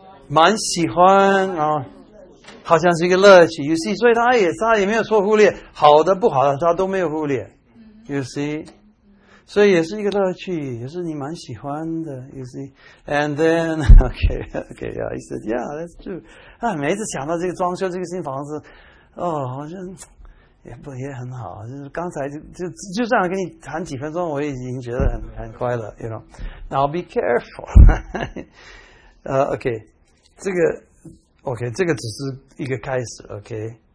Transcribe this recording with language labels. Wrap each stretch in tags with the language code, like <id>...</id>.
<zh>蛮喜欢啊，好像是一个乐趣。</zh> <en>You see，</en> <zh>所以他也没有说忽略好的、不好的，他都没有忽略。</zh> <en>You see，</en> <zh>所以也是一个乐趣，也是你蛮喜欢的。</zh> <en>You see，and then okay, he said, yeah, that's true。</en> <zh>哎，每次想到这个装修这个新房子，哦，好像。也很好，就是刚才就这样跟你谈几分钟，我已经觉得很快乐 ，</zh> <en>you know。 Now be careful，</en> <zh>这个只是一个开始 ，OK。</zh>